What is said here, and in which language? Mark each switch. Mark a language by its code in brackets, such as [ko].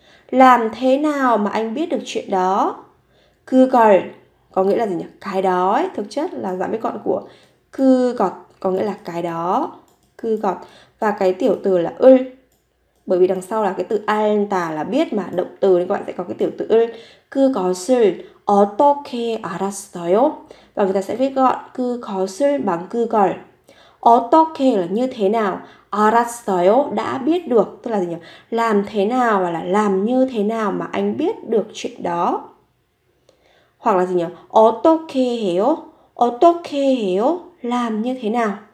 [vi] Làm thế nào mà anh biết được chuyện đó? 그걸 có nghĩa là gì nhỉ? Cái đó ấy, thực chất là giảm cái gọn của 그것 có nghĩa là cái đó. 그것 và cái tiểu từ là ul. Bởi vì đằng sau là cái từ alta là biết mà động từ nên các bạn sẽ có cái tiểu từ ul. [ko] 그것을 어떻게 알았어요? [vi] Và người ta sẽ viết gọn 그것을 bằng 그걸. 어떻게 là như thế nào? 알았어요 đã biết được. Tức là gì nhỉ? Làm thế nào hoặc là làm như thế nào mà anh biết được chuyện đó? Hoặc là gì nhỉ? [ko] 어떻게 해요? 어떻게 해요? [vi] Làm như thế nào?